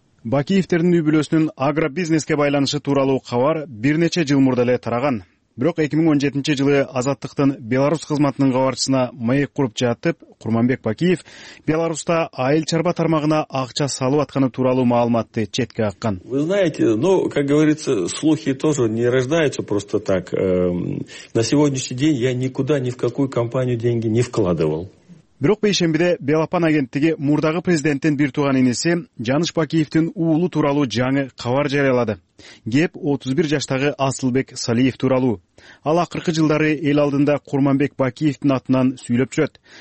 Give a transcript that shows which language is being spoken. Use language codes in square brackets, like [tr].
[ky] Бакиевтердин үй-бүлөсүнүн агробизнеске байланышы тууралуу кабар бир нече жыл мурда эле тараган. Бирок 2017-жылы Азаттыктын Беларусь кызматынын кабарчысына маек куруп жатып, Курманбек Бакиев Беларуста айыл чарба тармагына акча салып атканы тууралуу маалыматты четке аккан. [ru] Вы знаете, ну, как говорится, слухи тоже не рождаются просто так. На сегодняшний день я никуда ни в какую компанию деньги не вкладывал. [ky] Бирок бейшембиде Белапан агенттиги мурдагы президенттин бир тууган иниси Жаныш Бакиевдин уулу тууралуу жаңы кабар жарыялады. Кеп 31 жаштагы Асылбек Салиев тууралуу. Ал акыркы жылдары эл алдында Курманбек Бакиевдин атынан сүйлөп жүрөт.